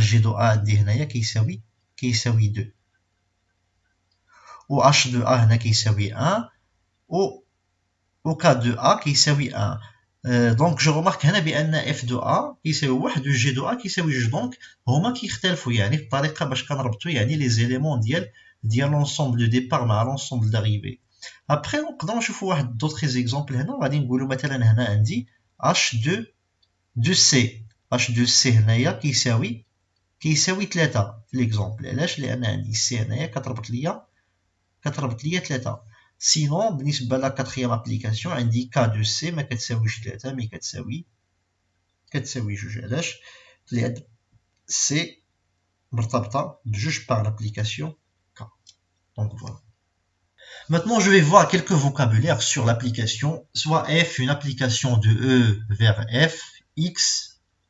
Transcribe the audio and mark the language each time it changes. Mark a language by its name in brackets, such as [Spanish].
[Arabic] G de a عندي هنايا كيساوي 2. Ou h de a هنا كيساوي 1. Ou k de a كيساوي 1. [French] Donc je remarque [Arabic] هنا بأن f de a يساوي 1 و g de a يساوي 2، donc هما كيختلفوا بطريقة باش كنربطوا les éléments ديال l'ensemble de départ مع l'ensemble d'arrivée. Après نقدر نشوفوا واحد [French] d'autres exemples [Arabic] هنا، غادي نقولوا مثلا هنا عندي h de c، h de c هنايا كيساوي 3 في ليكزومبل. علاش؟ لأن عندي c هنايا كتربط ليا 3. Sinon, بالنسبة لا quatrième application, عندي K de C, ما كتساويش 3، مي كتساوي 2. علاش؟ لأن C مرتبطة بجوج [French] par l'application K. Donc voilà. Maintenant, je vais voir quelques vocabulaires sur l'application. Soit F, une application de E vers F, X,